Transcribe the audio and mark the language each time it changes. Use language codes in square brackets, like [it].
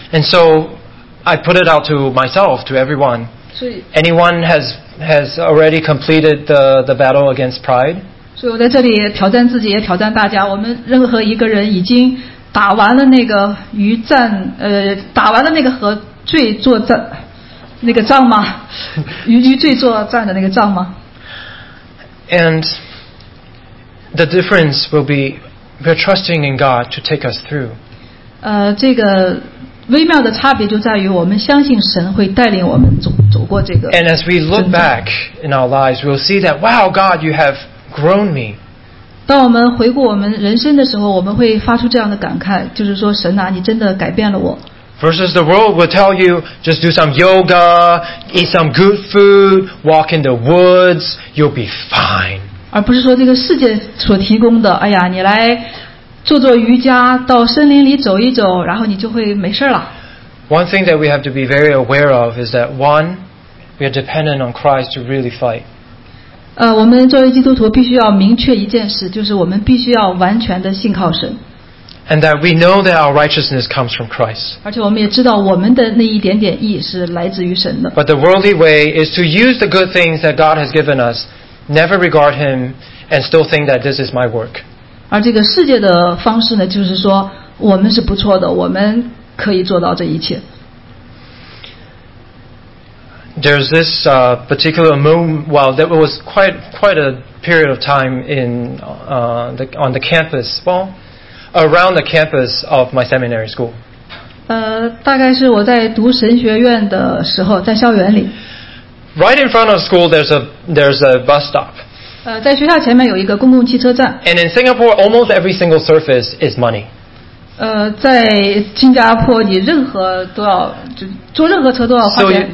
[en] And so, I put it out to myself, to everyone. [zh] 所以 [en] anyone has already completed the battle against pride. [zh] 所以我在这里挑战自己，也挑战大家。我们任何一个人已经打完了那个与战打完了那个和罪作战那个仗吗？与罪作战的那个仗吗 [en] ？And the difference will be. We're trusting in God to take us through. [zh] 这个微妙的差别就在于我们相信神会带领我们走过这个。 [en] And as we look back in our lives, we'll see that, wow, God, you have grown me. [zh] 当我们回顾我们人生的时候，我们会发出这样的感慨，就是说，神啊，你真的改变了我。 [en] Versus the world will tell you, just do some yoga, eat some good food, walk in the woods, you'll be fine. [zh] 而不是说这个世界所提供的，哎呀，你来做做瑜伽，到森林里走一走，然后你就会没事了。 [en] One thing that we have to be very aware of is that one, we are dependent on Christ to really fight. [zh] 我们作为基督徒必须要明确一件事，就是我们必须要完全的信靠神。 [en] And that we know that our righteousness comes from Christ. [zh] 而且我们也知道我们的那一点点义是来自于神的。 [en] But the worldly way is to use the good things that God has given us. Never regard him and still think that this is my work. [zh] 而这个世界的方式呢，就是说我们是不错的，我们可以做到这一切。 [en] There's this particular moment. Well, there was quite a period of time in on the campus. Well, around the campus of my seminary school. [zh] 大概是我在读神学院的时候，在校园里。 [en] Right in front of school, there's a bus stop. [zh] 在学校前面有一个公共汽车站。 [en] And in Singapore, almost every single surface is money. [zh] 在新加坡，你任何都要坐任何车都要花钱。